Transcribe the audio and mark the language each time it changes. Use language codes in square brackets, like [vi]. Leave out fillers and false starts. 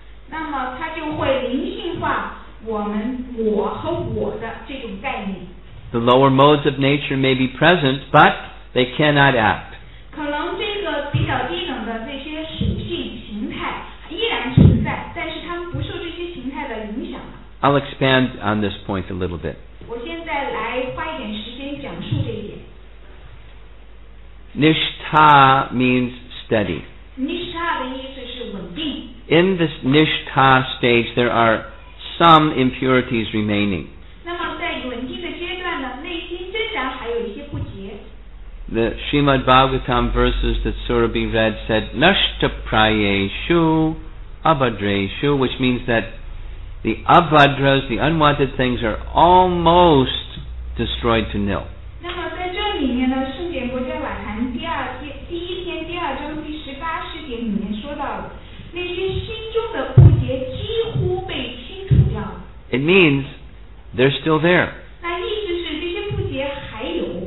[zh] 那么它就会灵性化我们我和我的这种概念 [en] the lower modes of nature may be present but they cannot act [zh] 可能这个比较低等的这些属性形态依然存在但是它们不受这些形态的影响 [en] I'll expand on this point a little bit. [zh] 我现在来花一点时间讲述这一点。 [en] Nishtha means steady. [zh] Nishtha 的意思是稳定。 [en] In this nishtha stage, there are some impurities remaining. [zh] 那么在稳定的阶段呢，内心仍然还有一些不洁。 [en] The Srimad Bhagavatam verses that Surabhi read said, [sa] "Nashta prayeshu abhadreshu," [en] which means that. The abhadras, the unwanted things, are almost destroyed to nil. [zh] 那么在这里面呢，圣简伯家瓦坛第一天第二章第十八世界里面说到了，那些心中的不洁几乎被清除掉。 [en] It means they're still there. [zh] 那意思是这些不洁还有。